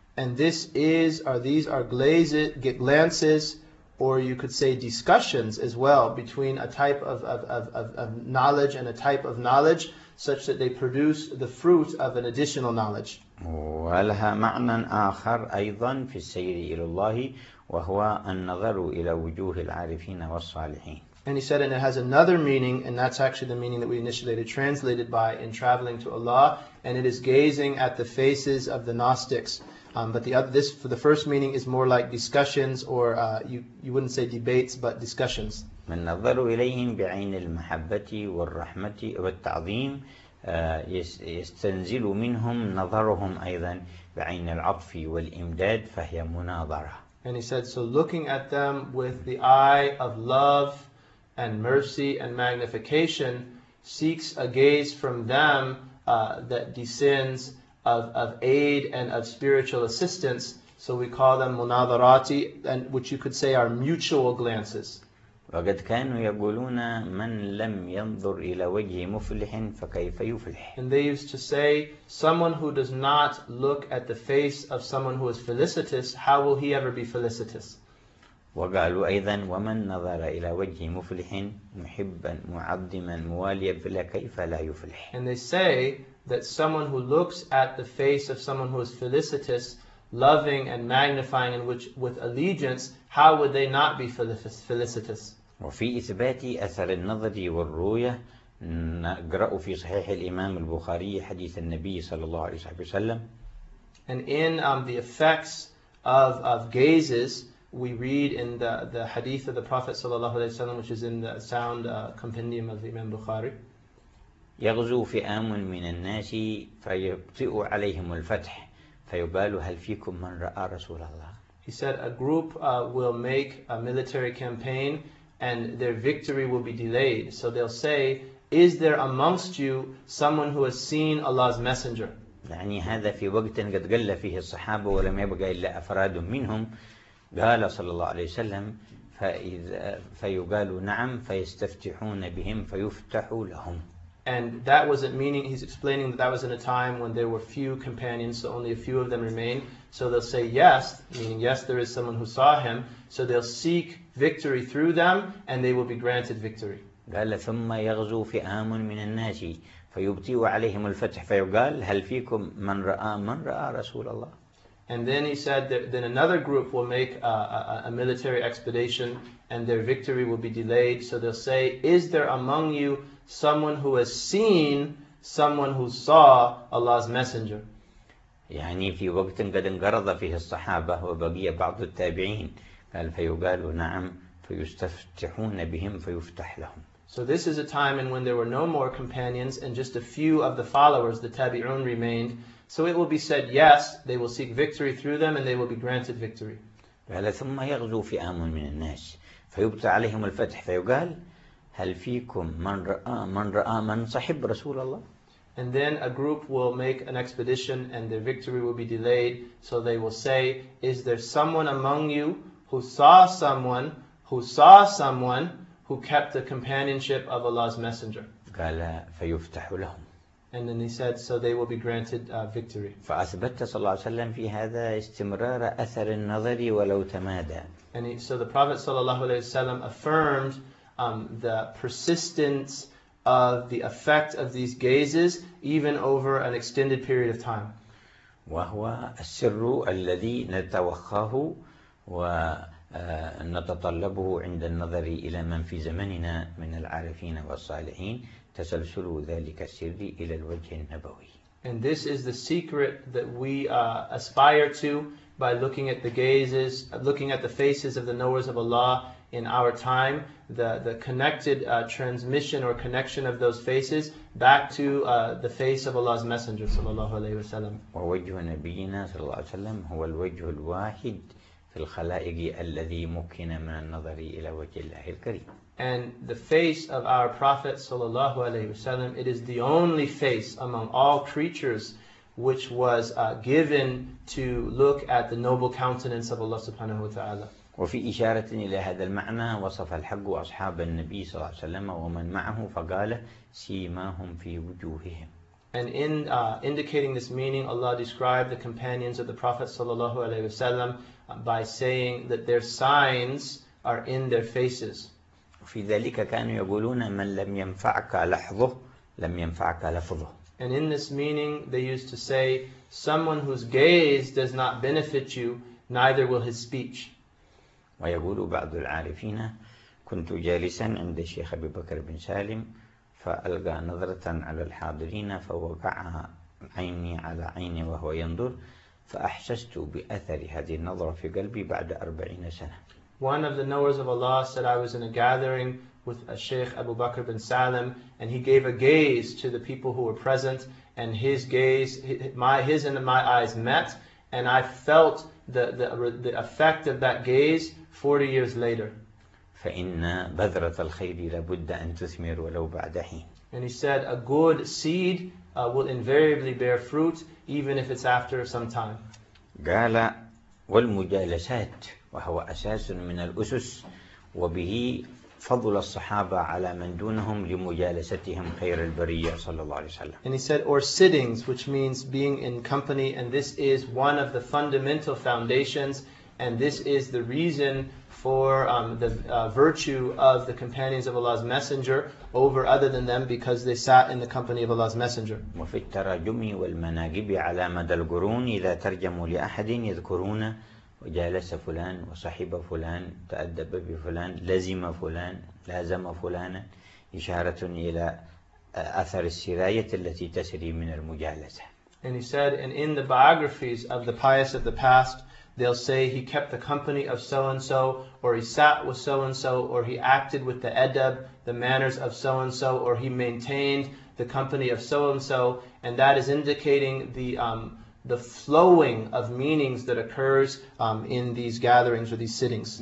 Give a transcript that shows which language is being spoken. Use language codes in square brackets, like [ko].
[en] And this is, or these are glances, or you could say discussions as well between a type of knowledge and a type of knowledge, such that they produce the fruit of an additional knowledge. [ar] ولها معنى آخر أيضا في السير إلى الله وهو النظر إلى وجوه العارفين والصالحين. [en] And he said, and it has another meaning, and that's actually the meaning that we initially translated by in traveling to Allah, and it is gazing at the faces of the Gnostics. But the other, this for the first meaning is more like discussions, or you wouldn't say debates, but discussions. [ar] من نظر إليهم بعين المحبة والرحمة والتعظيم يستنزل منهم نظرهم أيضا بعين العطف والإمداد فهي مناظرة. [en] And he said, so looking at them with the eye of love and mercy and magnification seeks a gaze from them that descends of aid and of spiritual assistance. So we call them munadharati, and which you could say are mutual glances. [ar] وقد كانوا يقولون من لم ينظر إلى وجه مفلح فكيف يفلح. [en] And they used to say, someone who does not look at the face of someone who is felicitous, how will he ever be felicitous? [ar] وقالوا أيضا ومن نظر إلى وجه مفلح محبا معظما مواليا فكيف لا يفلح. [en] And they say that someone who looks at the face of someone who is felicitous, loving and magnifying and which with allegiance, how would they not be felicitous? [ar] وفي إثبات أثر النظر والرؤية نقرأ في صحيح الإمام البخاري حديث النبي صلى الله عليه وسلم. [en] And in the effects of gazes, we read in the hadith of the Prophet [ar] صلى الله عليه وسلم, [en] which is in the sound compendium of Imam Bukhari. [ar] يغزو فئام من الناس فيبطئ عليهم الفتح فيبال هل فيكم من رأى رسول الله. [en] He said a group will make a military campaign and their victory will be delayed. So they'll say, is there amongst you someone who has seen Allah's messenger? [ar] يعني هذا في وقت قد قل فيه الصحابة ولم يبقى إلا أفراد منهم قال صلى الله عليه وسلم فإذا فيقال نعم فيستفتحون بهم فيفتح لهم. [en] And that wasn't meaning, he's explaining that that was in a time when there were few companions, so only a few of them remained. So they'll say yes, meaning yes, there is someone who saw him. So they'll seek victory through them and they will be granted victory. [ar] قال ثم يغزو فئام من الناس فيبطئ عليهم الفتح فيقال هل فيكم من رأى من رأى رسول الله. [en] And then he said that then another group will make a military expedition and their victory will be delayed. So they'll say, is there among you someone who has seen someone who saw Allah's messenger? [ar] يعني في وقت قد انقرض فيه الصحابة وبقي بعض التابعين قال فيقال نعم فيستفتحون بهم فيفتح لهم. [en] So this is a time and when there were no more companions and just a few of the followers, the tabi'un, remained. So it will be said, yes, they will seek victory through them and they will be granted victory. [ar] قال ثم يغزو فئام من الناس فيبطئ عليهم الفتح فيقال هل فيكم من رأى من رأى من صحب رسول الله. [en] And then a group will make an expedition and their victory will be delayed. So they will say, is there someone among you who saw someone who saw someone who kept the companionship of Allah's messenger? [ar] قال فيفتح لهم. [en] And then he said, so they will be granted victory. [ar] فأثبت صلى الله عليه وسلم في هذا استمرار أثر النظر ولو تمادى. [en] And so the Prophet [ar] صلى الله عليه وسلم [en] affirmed the persistence of the effect of these gazes even over an extended period of time. [ar] وهو السر الذي نتوخاه ونتطلبه عند النظر إلى من في زمننا من العارفين والصالحين. تسلسل ذلك السر إلى الوجه النبوي. [en] And this is the secret that we aspire to by looking at the gazes, looking at the faces of the knowers of Allah in our time, the connected transmission or connection of those faces back to the face of Allah's Messenger [ar] صلى الله عليه وسلم. ووجه نبينا صلى الله عليه وسلم هو الوجه الواحد في الخلائق الذي مكن من النظر إلى وجه الله الكريم. [en] And the face of our Prophet [ar] sallallahu alaihi wasallam, [en] it is the only face among all creatures which was given to look at the noble countenance of Allah [ar] subhanahu wa ta'ala. وفي إشارة إلى هذا المعنى وصف الحق أصحاب النبي صلى الله عليه وسلم ومن معه فقال سيماهم في وجوههم. [en] And in indicating this meaning, Allah described the companions of the Prophet [ar] sallallahu alaihi wasallam [en] by saying that their signs are in their faces. [ar] في ذلك كانوا يقولون من لم ينفعك لحظه لم ينفعك لفظه. [en] And in this meaning they used to say someone whose gaze does not benefit you neither will his speech. [ar] ويقول بعض العارفين كنت جالسا عند الشيخ أبي بكر بن سالم فألقى نظرة على الحاضرين فوقع عيني على عيني وهو ينظر فأحسست بأثر هذه النظرة في قلبي بعد 40 سنة. [en] One of the knowers of Allah said, I was in a gathering with a Shaykh Abu Bakr bin Salim, and he gave a gaze to the people who were present, and his gaze, his and my eyes met, and I felt the effect of that gaze 40 years later. [ar] فَإِنَّ بَذْرَةَ الْخَيْرِ لَبُدَّ أَن تُثْمِرُ وَلَوْ بَعْدَ حِينَ. [en] And he said, a good seed will invariably bear fruit, even if it's after some time. [ar] قَالَ وَالْمُجَالَسَاتِ وهو أساس من الأسس وبه فضل الصحابة على من دونهم لمجالستهم خير البرية صلى الله عليه وسلم. [en] And he said, or sittings, which means being in company, and this is one of the fundamental foundations And this is the reason for the virtue of the companions of Allah's Messenger over other than them, because they sat in the company of Allah's Messenger. [ar] وفي التراجم والمناجب على مدى القرون إذا ترجموا لأحد يذكرون وجالس فلان وصحب فلان تأدب بفلان لزم فلان لازم فلانا إشارة إلى أثر السراية التي تسري من المجالسة. [en] And he said, and in the biographies of the pious of the past, they'll say he kept the company of so-and-so, or he sat with so-and-so, or he acted with the adab, the manners of so-and-so, or he maintained the company of so-and-so. And that is indicating the flowing of meanings that occurs in these gatherings or these sittings.